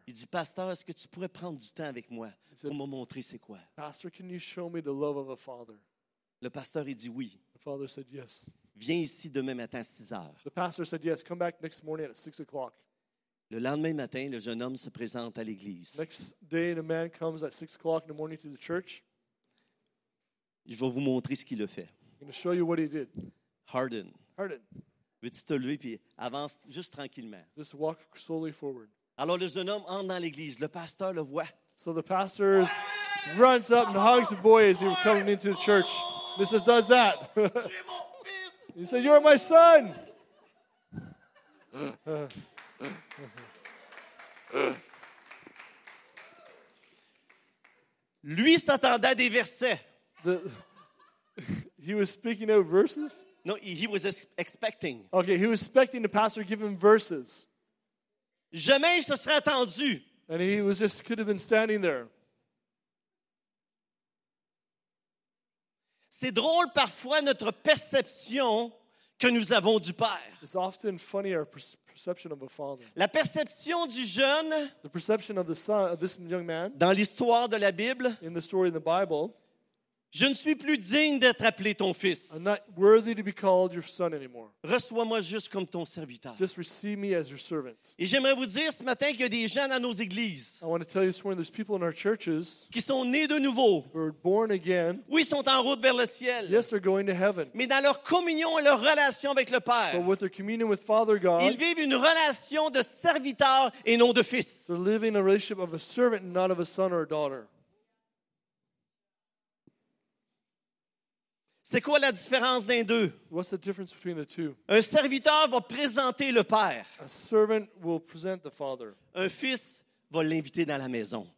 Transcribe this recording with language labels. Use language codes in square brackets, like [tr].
[fr] Il dit, pasteur, est-ce que tu pourrais prendre du temps avec moi pour me montrer c'est quoi? [en] Pastor, can you show me the love of a father? [fr] Le pasteur, il dit oui. [en] The father said yes. [fr] Viens ici demain matin à 6 heures. [en] The pastor said yes. Come back next morning at 6 o'clock. [fr] Le lendemain matin, le jeune homme se présente à l'église. [en] Next day, the man comes at 6 o'clock in the morning to the church. [fr] Je vais vous montrer ce qu'il a fait. [en] I'm going to show you what he did. Harden. [fr] Veux-tu te lever puis avance juste tranquillement. [en] Just walk slowly forward. [fr] Alors le jeune homme entre dans l'église. Le pasteur le voit. [en] So the pastor runs up and hugs the boy as he was coming into the church. This is does that. He said, "You're my son." [fr] Lui s'attendait à des versets. [en] He was speaking out verses? No, he was expecting. Okay, he was expecting the pastor to give him verses. [fr] Jamais je ne serais attendu. [en] And he was just could have been standing there. [fr] C'est drôle parfois notre perception que nous avons du Père. [en] It's often funny our perception of a father. [fr] La perception du jeune. [en] The perception of the son, of this young man. [fr] Dans l'histoire de la Bible. [en] In the story in the Bible. [fr] Je ne suis plus digne d'être appelé ton fils. [en] I'm not worthy to be called your son anymore. [fr] Reçois-moi juste comme ton serviteur. [en] Just receive me as your servant. [fr] Et j'aimerais vous dire ce matin qu'il y a des gens dans nos églises. [en] I want to tell you this morning there's people in our churches [fr] qui sont nés de nouveau. [en] Who are born again. [fr] Oui, ils sont en route vers le ciel. [en] Yes, they're going to heaven. [fr] Mais dans leur communion et leur relation avec le Père. [en] But with their communion with Father God. [fr] Ils vivent une relation de serviteur et non de fils. [en] They're living a relationship of a servant and not of a son or a daughter. [fr] C'est quoi la différence d'un deux? [en] What's the difference between the two? [fr] Un serviteur va présenter le Père. [en] A servant will present the father. [fr] Un fils va l'inviter dans la maison.